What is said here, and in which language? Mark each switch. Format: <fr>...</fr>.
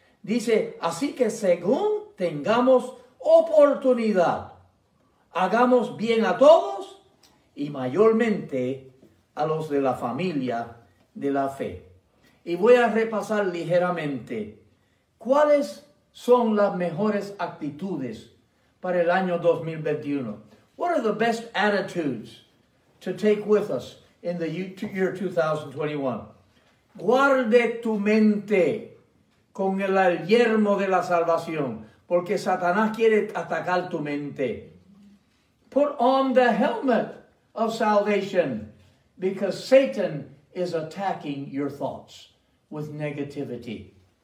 <es>Dice, así que según tengamos oportunidad, hagamos bien a todos y mayormente a los de la familia de la fe. Y voy a repasar ligeramente cuáles son las mejores actitudes para el año 2021.</es> <en>What are the best attitudes to take with us in the year 2021?</en> <es>Guarde tu mente con el yermo de la salvación, porque Satanás quiere atacar tu mente.</es> <en>Put on the helmet of salvation, because Satan is attacking your thoughts with negativity.</en>